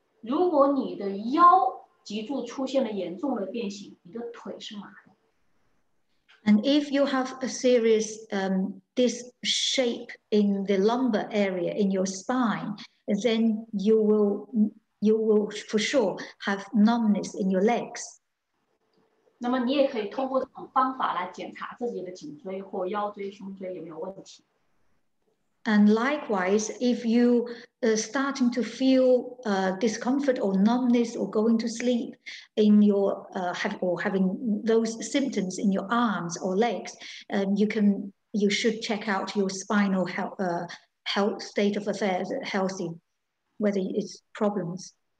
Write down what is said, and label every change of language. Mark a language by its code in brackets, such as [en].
[zh] 如果你的腰 脊柱出现了严重的变形，你的腿是麻的。 [en] And if you have a serious this shape in the lumbar area in your spine, then you will for sure have numbness in your legs. [zh] 那么你也可以通过这种方法来检查自己的颈椎或腰椎、胸椎有没有问题。 [en] And likewise, if you starting to feel discomfort or numbness or going to sleep in your or having those symptoms in your arms or legs, you should check out your spinal health state of affairs, healthy, whether it's problems.